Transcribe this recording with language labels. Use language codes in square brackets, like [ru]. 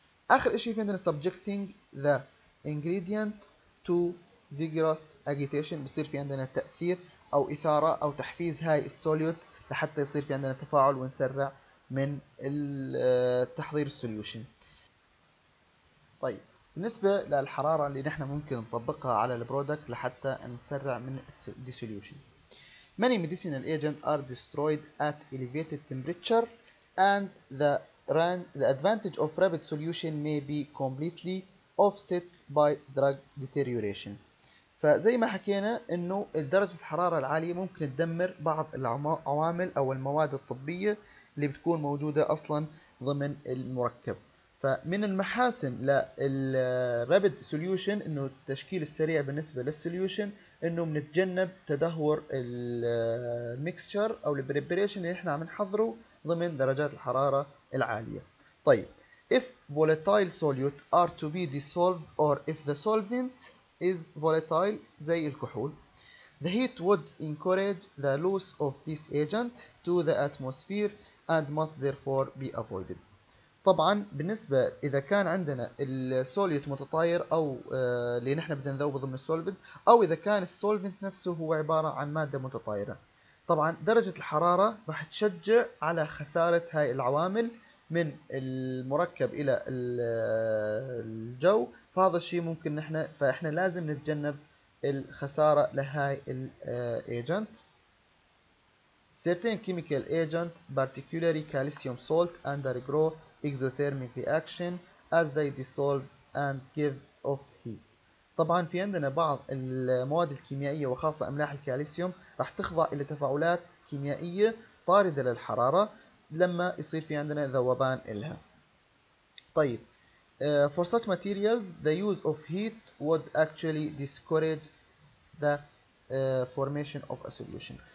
[ar] آخر إشي في عندنا [en] subjecting the ingredient to vigorous agitation, [ar] بصير في عندنا تأثير أو إثارة أو تحفيز هاي السوليوت لحتى يصير في عندنا تفاعل ونسرع من تحضير السوليوشن. طيب بالنسبة للحرارة اللي نحن ممكن نطبقها على البرودكت لحتى نسرع من السوليوشن, [en] Many medicinal agents are destroyed at elevated temperature and the advantage of rapid solution may be completely offset by drug deterioration. [ar] فزي ما حكينا انه درجة الحرارة العالية ممكن تدمر بعض العوامل او المواد الطبية اللي بتكون موجودة اصلا ضمن المركب. فمن المحاسن للرابيد سوليوشن انه التشكيل السريع بالنسبة للسوليوشن انه بنتجنب تدهور الميكسشر او البريبريشن اللي احنا عم نحضره ضمن درجات الحرارة العالية. [en] طيب if volatile solute are to be dissolved or if the solvent is volatile [ar] زي الكحول, [en] the heat would encourage the loss of this agent to the atmosphere and must therefore be avoided. [ar] طبعا بالنسبة إذا كان عندنا السوليوت متطاير أو اللي نحن بدنا نذوبه ضمن السولفنت, أو إذا كان السولفنت نفسه هو عبارة عن مادة متطايرة, طبعا درجة الحرارة راح تشجع على خسارة هاي العوامل من المركب إلى الجو. فهذا الشيء ممكن نحن, فإحنا لازم نتجنب الخسارة لهاي الايجنت. [en] Certain chemical agent particularly calcium salt undergrow exothermic reaction as they dissolve and give off heat. [ar] طبعا في عندنا بعض المواد الكيميائية وخاصة أملاح الكالسيوم راح تخضع إلى تفاعلات كيميائية طاردة للحرارة لما يصير في عندنا ذوبان إلها. [en] طيب for such materials the use of heat would actually discourage the formation of a solution.